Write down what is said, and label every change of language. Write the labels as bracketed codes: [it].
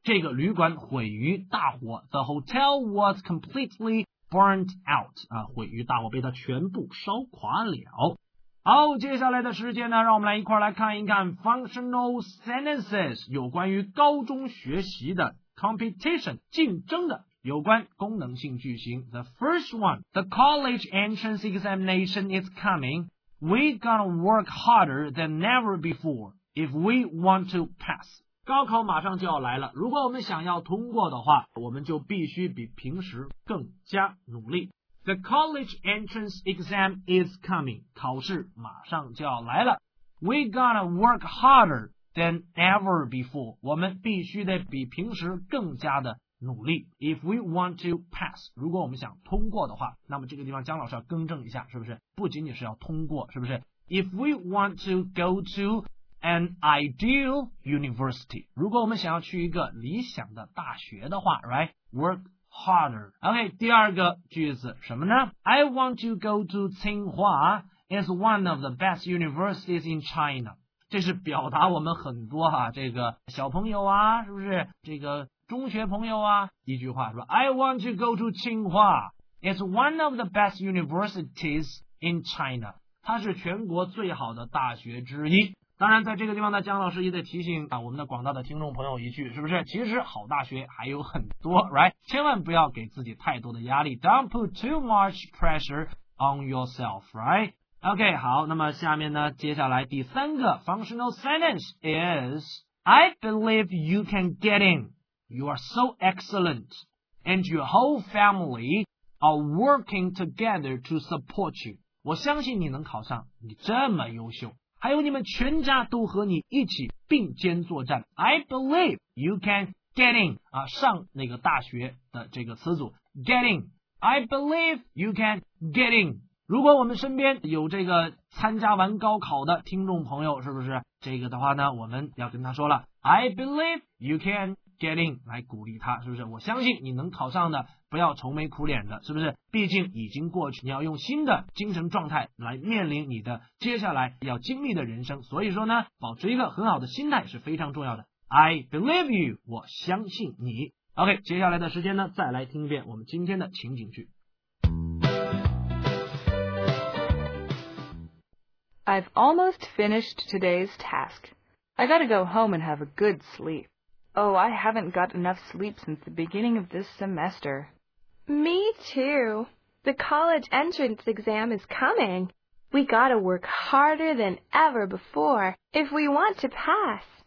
[zh] 这个旅馆毁于大火 ， [en] The hotel was completely. Burnt out, [zh] 啊，毁于大火被它全部烧垮了。好，接下来的时间呢，让我们来一块来看一看 functional sentences, 有关于高中学习的 competition, 竞争的有关功能性句型。 [en] The first one, the college entrance examination is coming. We gonna work harder than never before if we want to pass. [zh] 高考马上就要来了如果我们想要通过的话我们就必须比平时更加努力 [en] The college entrance exam is coming [zh] 考试马上就要来了 [en] We gonna work harder than ever before [zh] 我们必须得比平时更加的努力 [en] If we want to pass [zh] 如果我们想通过的话那么这个地方姜老师要更正一下是不是不仅仅是要通过是不是 [en] If we want to go to an ideal university. [zh] 如果我们想要去一个理想的大学的话 right? [en] Work harder. OK, [zh] 第二个句子什么呢 [en] I want to go to 清华 It's one of the best universities in China. [zh] 这是表达我们很多哈这个小朋友啊是不是这个中学朋友啊一句话说 I want to go to 清华 It's one of the best universities in China. 它是全国最好的大学之一。当然在这个地方呢江老师也得提醒啊我们的广大的听众朋友一句是不是其实好大学还有很多 right? 千万不要给自己太多的压力 [en] Don't put too much pressure on yourself, right? [zh] OK, 好那么下面呢接下来第三个 [en] functional sentence is I believe you can get in. You are so excellent. And your whole family are working together to support you. [zh] 我相信你能考上你这么优秀。还有你们全家都和你一起并肩作战 [en] I believe you can get in、 [zh] 啊、上那个大学的这个词组 get in [en] I believe you can [zh] get in 如果我们身边有这个参加完高考的听众朋友是不是这个的话呢我们要跟他说了 I believe you can get in 来鼓励他是不是我相信你能考上的不要愁眉苦脸的是不是毕竟已经过去你要用新的精神状态来面临你的接下来要经历的人生所以说呢保持一个很好的心态是非常重要的 [en] I believe you [zh] 我相信你 OK 接下来的时间呢再来听一遍我们今天的情景句 [en] I've almost finished today's task I gotta go home and have a good sleep Oh I haven't got enough sleep since the beginning of this semester Me too. The college entrance exam is coming. We gotta work harder than ever before if we want to pass.